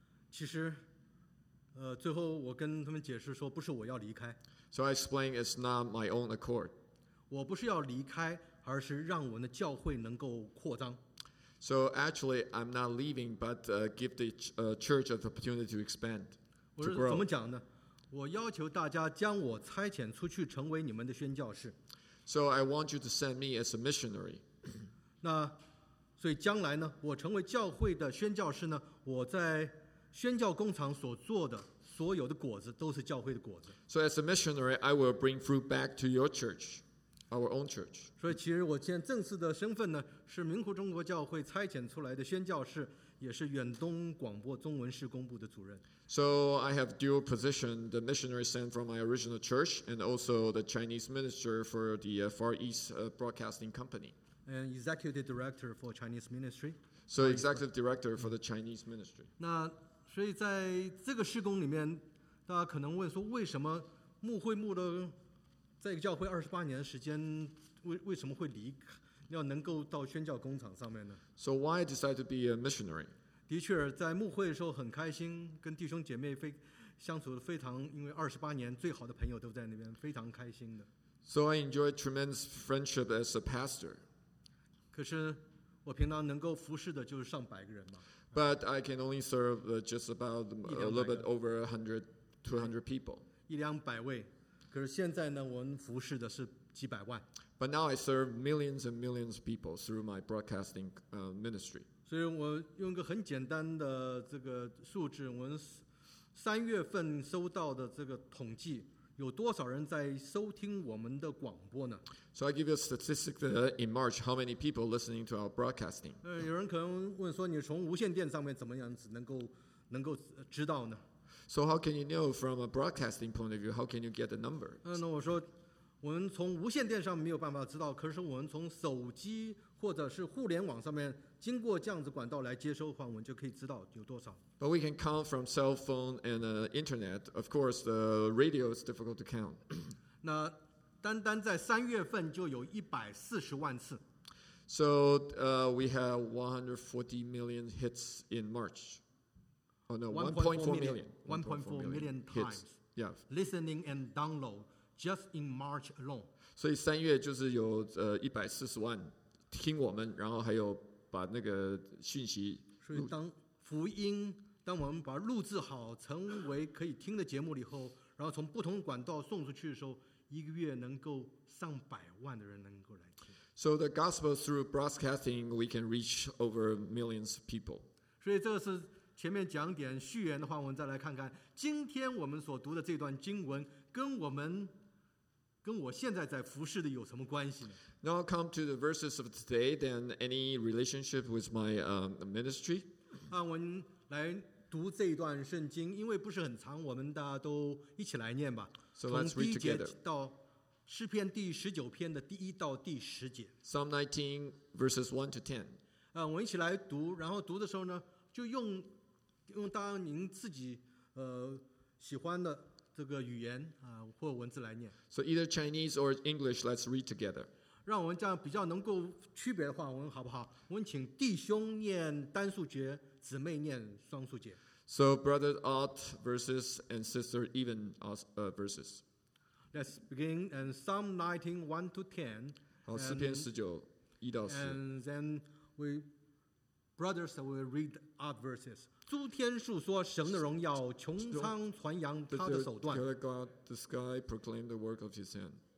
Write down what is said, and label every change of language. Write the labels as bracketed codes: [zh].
[zh] 其实，最后我跟他们解释说，不是我要离开。 [en] So I explained it's not my own accord. [zh] 我不是要离开，而是让我们的教会能够扩张。 [en] So actually, I'm not leaving, but give the church an opportunity to expand, to grow. [zh] 我是怎么讲呢？我要求大家将我差遣出去，成为你们的宣教士。 [en] So I want you to send me as a missionary. [zh] 那所以将来呢，我成为教会的宣教士呢，我在宣教工厂所做的所有的果子都是教会的果子。 [en] So as a missionary, I will bring fruit back to your church. Our own church. [zh] 所以其实我现在正式的身份呢，是明湖中国教会差遣出来的宣教士，也是远东广播中文事工部的主任。 [en] So I have dual position, the missionary sent from my original church, and also the Chinese minister for the Far East Broadcasting Company. And executive director for Chinese ministry. So executive director for the Chinese ministry. [zh] 那所以在这个事工里面，大家可能问说，为什么牧会牧的？在一个教会二十八年的时间，为什么会离开，要能够到宣教工厂上面呢 [en] ？So why I decided to be a missionary？ [zh] 的确，在牧会的时候很开心，跟弟兄姐妹非相处的非常，因为二十八年最好的朋友都在那边，非常开心的。 [en] So I enjoyed tremendous friendship as a pastor。 [zh] 可是我平常能够服侍的就是上百个人嘛。 [en] But I can only serve just about a little bit over 100-200 people。 [zh] 一两百位。可是现在呢，我们服侍的是几百万。 [en] But now I serve millions and millions of people through my broadcasting ministry. [zh] 所以我用一个很简单的这个数字，我们三月份收到的这个统计，有多少人在收听我们的广播呢 [en] ？So I give you a statistic that in March, how many people listening to our broadcasting? [zh] 有人可能问说，你从无线电上面怎么样子能够知道呢？ [en] So how can you know from a broadcasting point of view? How can you get the number? [zh] 那我说，我们从无线电上没有办法知道，可是我们从手机或者是互联网上面经过这样子管道来接收的话，我们就可以知道有多少。 [en] But we can count from cell phone and internet. Of course, the radio is difficult to count. [zh] 那单单在三月份就有140万次。 [en] So we have 140 million hits in March. Oh, no, 1.4 million times. Yeah. Listening and download just in March alone. [zh] So, 三月就是有140万听我们，然后还有把那个讯息。所以，当福音，当我们把录制好成为可以听的节目以后，然后从不同管道送出去的时候，一个月能够上百万的人能够来听。 [en] So the gospel through broadcasting, we can reach over millions of people. [zh] 所以这是。前面讲点序言的话，我们再来看看今天我们所读的这段经文跟我现在在服侍的有什么关系呢 [en] ？Now I'll come to the verses of today. Then any relationship with my ministry? [zh] 啊，我们来读这段圣经，因为不是很长，我们大家都一起来念吧。 [en] So let's read together. [zh] 从第一节到诗篇第十九篇的第一到第十节。 [en] Psalm 19 verses 1-10. [zh] 啊，我们一起来读，然后读的时候呢，就用。用当您自己喜欢的这个语言啊或文字来念。 [en] So either Chinese or English, let's read together. [zh] 让我们这样比较能够区别的话，我们好不好？我们请弟兄念单数节，姊妹念双数节。 [en] So brother odd verses and sister even verses. Let's begin in Psalm 19:1-10. [zh] 好，诗篇十九一到四。 [en] And then we brothers will read odd verses. [zh] 诸天述说神的荣耀，穹苍传扬他的手段。 [en] The God, the sky proclaim the work of his hand.